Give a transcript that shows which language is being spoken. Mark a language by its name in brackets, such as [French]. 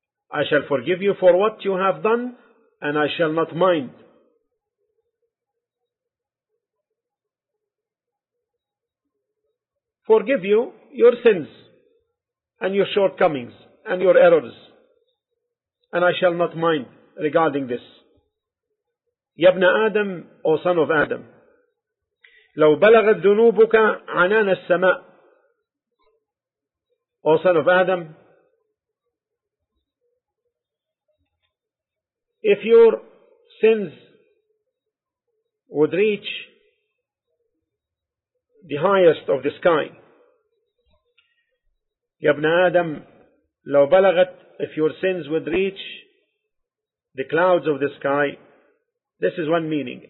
[English] I shall forgive you for what you have done, and I shall not mind. Forgive you your sins and your shortcomings and your errors, and I shall not mind regarding this. [Arabic] يبنى آدم, [English] O son of Adam, [Arabic] لو بلغت ذنوبك عنان السماء. [English] O son of Adam, if your sins would reach the highest of the sky, [Arabic] يَبْنَ آدَمْ لَوْ بَلَغَتْ, [English] if your sins would reach the clouds of the sky, this is one meaning.